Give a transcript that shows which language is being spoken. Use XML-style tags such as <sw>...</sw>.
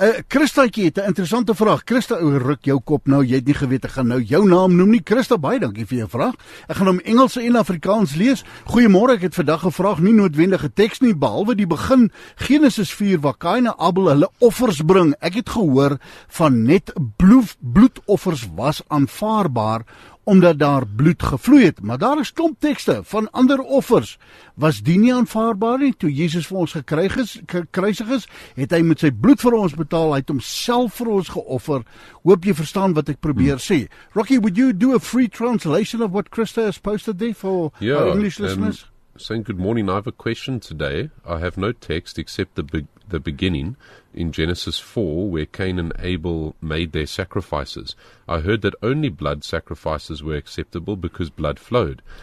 <af>Christa, ek het 'n interessante vraag. Christa, oh, ruk jou kop nou. Jy het nie geweet ek gaan nou jou naam noem nie. Christa, baie dankie vir jou vraag. Ek gaan hom Engels en Afrikaans lees. Goeiemôre, ek het vandag 'n vraag, nie noodwendige teks nie, behalwe die begin, Genesis 4, waar Kain en Abel hulle offers bring. Ek het gehoor van net bloedoffers was aanvaarbaar, omdat daar bloed gevloei het. Maar daar is klomp tekste van ander offers. Was die nie aanvaarbaar nie? Toe Jesus vir ons gekruisig is, het hy met sy bloed vir ons betaal. Hy het homself vir ons geoffer. Hoop jy verstaan wat ek probeer sê.</af> <en>Rocky, would you do a free translation of what Christa has posted there for our English listeners? Saying good morning, I have a question today. I have no text except the beginning in Genesis 4 where Cain and Abel made their sacrifices. I heard that only blood sacrifices were acceptable because blood flowed.</en>